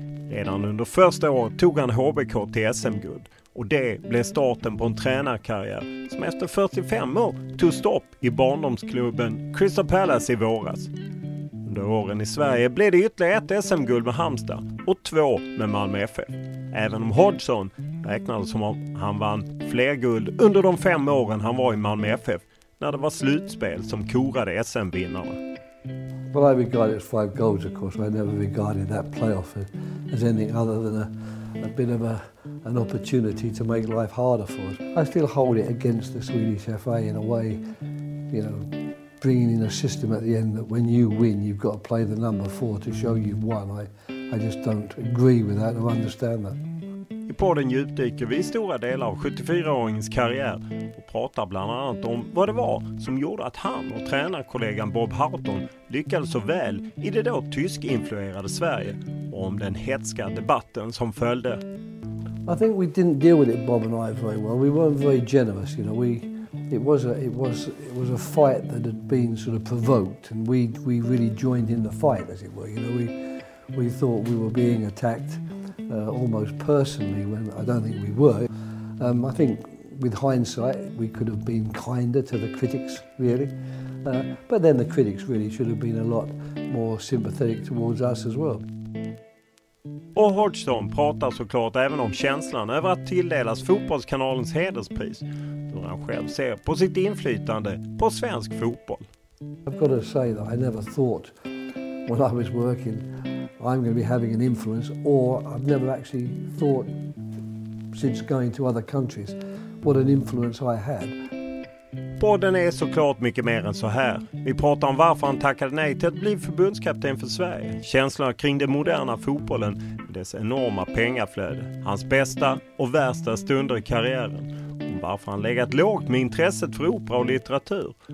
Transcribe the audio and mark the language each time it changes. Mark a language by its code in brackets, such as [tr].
[sv] Redan under första året tog han HBK till SM-guld och det blev starten på en tränarkarriär som efter 45 år tog stopp i barndomsklubben Crystal Palace i våras. Under åren i Sverige blev det ytterligare ett SM-guld med Halmstad och 2 med Malmö FF. Även om Hodgson räknade som om han vann fler guld under de 5 åren han var i Malmö FF när det var slutspel som korade SM-vinnare. [en] Well, I regarded 5 goals, of course. I never regarded that playoff as anything other than a bit of an opportunity to make life harder for us. I still hold it against the Swedish FA in a way, you know, bringing in a system at the end that when you win, you've got to play the number 4 to show you've won. I just don't agree with that or understand that. [sv] I podden djupdyker vi i stora delar av 74-åringens karriär och pratar bland annat om vad det var som gjorde att han och tränarkollegan Bob Harton lyckades så väl i det då tysk-influerade Sverige och om den hetska debatten som följde. [en] I think we didn't deal with it, Bob and I, very well. We weren't very generous, you know. It was a fight that had been sort of provoked, and we really joined in the fight, as it were. You know, we thought we were being attacked almost personally, when I don't think we were. I think with hindsight, we could have been kinder to the critics, really. But then the critics really should have been a lot more sympathetic towards us as well. [sv] Och Hodgson pratar såklart även om känslan över att tilldelas fotbollskanalens hederspris, då han själv ser på sitt inflytande på svensk fotboll. [en] I've got to say that I never thought when I was working I'm going to be having an influence, or I've never actually thought since going to other countries what an influence I had. [sv] Podden är såklart mycket mer än så här. Vi pratar om varför han tackade nej till att bli förbundskapten för Sverige. Känslorna kring den moderna fotbollen med dess enorma pengaflöde. Hans bästa och värsta stunder i karriären. Om varför han legat lågt med intresset för opera och litteratur.